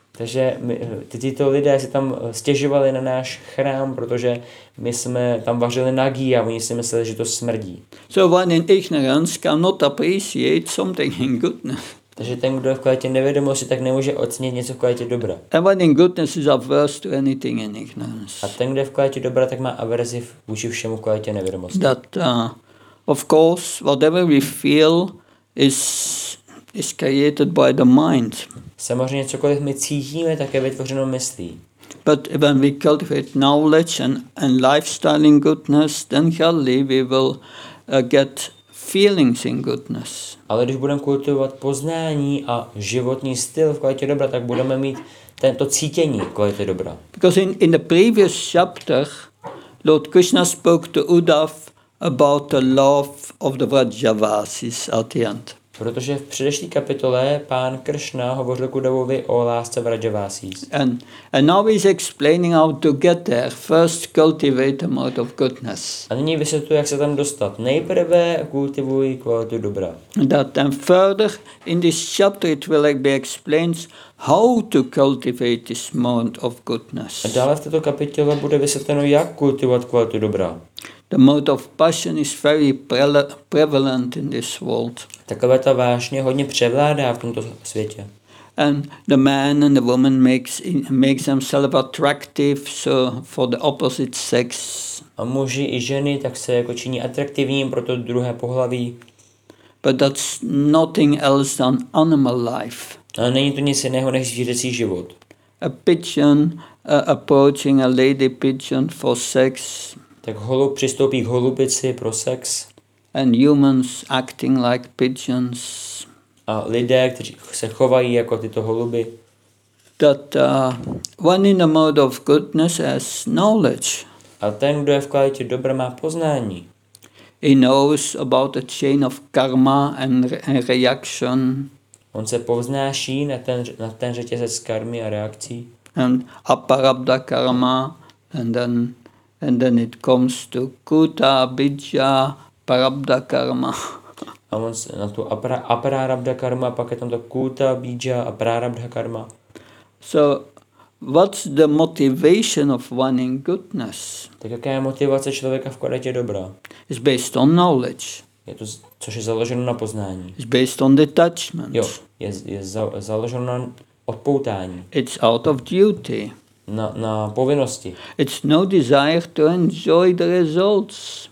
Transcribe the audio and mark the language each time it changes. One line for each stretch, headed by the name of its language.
Czech: Takže tyto lidé se tam stěžovali na náš chrám, protože my jsme tam vařili nagí a oni si mysleli, že to smrdí.
English: So one in ignorance cannot appreciate something in goodness.
Czech: Takže ten, kdo je v kvalitě nevědomosti, tak nemůže ocenit něco v kvalitě dobra.
English: And one in goodness is averse to anything in ignorance.
Czech: A ten, kdo je v kvalitě dobra, tak má averzi vůči všemu v kvalitě nevědomosti.
English: That, of course, whatever we feel is created by the mind.
Czech: Samozřejmě cokoliv my cítíme, tak je vytvořeno myslí.
English: But when we cultivate knowledge and lifestyle in goodness, then surely we will get feelings in goodness.
Czech: Ale když budeme kultivovat poznání a životní styl v kvalitě dobra, tak budeme mít tento cítění v kvalitě dobra.
English: Because in the previous chapter, Lord Krishna spoke to Uddhav about the love of the Vrajavasis at the end.
Czech: Protože v předešlé kapitole pán Krishna hovořil Uddhavovi o lásce Vrajavasis.
English: And now he's explaining how to get there. First cultivate the mode of goodness.
Czech: A nyní vysvětluje, jak se tam dostat. Nejprve kultivuj kvalitu dobra.
English: That then further in this chapter it will be explained how to cultivate this mode of goodness.
Czech: A dále v této kapitole bude vysvětleno, jak kultivovat kvalitu dobra.
English: The mode of passion is very prevalent in this world.
Czech: Takové ta vášně hodně převládá v tomto světě.
English: And the man and the woman makes themselves attractive so for the opposite sex.
Czech: A muži i ženy tak se jako činí atraktivním pro to druhé pohlaví.
English: But that's nothing else than animal life.
Czech: A není to nic jiného než zvířecí život.
English: A pigeon approaching a lady pigeon for sex.
Czech: Tak holub přistoupí k holubici pro sex.
English: And humans acting like pigeons.
Czech: A lidé, kteří se chovají jako tyto holuby.
English: That one in the mode of goodness has knowledge.
Czech: A ten, kdo je v kvalitě dobra, má poznání.
English: He knows about the chain of karma and reaction.
Czech: On se povznáší na ten řetězec karmy a reakcí.
English: And aparabdha karma and then it comes to kuta bija parabdha karma.
Czech: A on se na tu aparabdha karma, pak je tam to kuta bija a prarabdha karma.
English: So what's the motivation of one in goodness?
Czech: Tak jaká je motivace člověka v kvalitě dobra?
English: It's based on knowledge.
Czech: Je to, což je založeno na poznání.
English: It's based on detachment.
Czech: Jo, je založeno na odpoutání.
English: It's out of duty.
Czech: Na povinnosti.
English: It's no desire to enjoy the results.